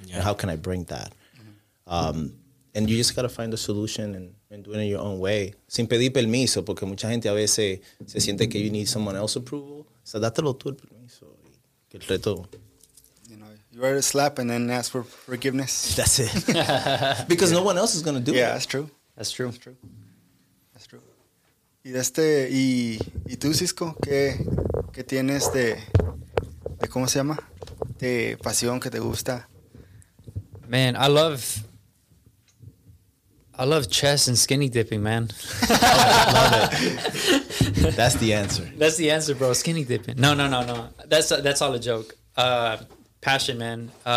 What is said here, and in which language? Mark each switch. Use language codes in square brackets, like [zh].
[en] Yeah. And how can I bring that? And you just got to find a solution and do it in your own way. [es] Sin pedir permiso, porque mucha gente a veces se siente que [en] you need someone else's approval. [es] So, dátelo tú el permiso. Y que el reto... [en] You write a slap and then ask for forgiveness. That's it. Because no one else is going to do it. Yeah, that's true. That's true. That's true. That's true. [es] Y este, y tú, Cisco, ¿qué tienes de cómo se llama? De pasión que te gusta. [en] Man, I love chess and skinny dipping, man. love it. That's the answer. That's the answer, bro. Skinny dipping. No. That's all a joke. Passion, man.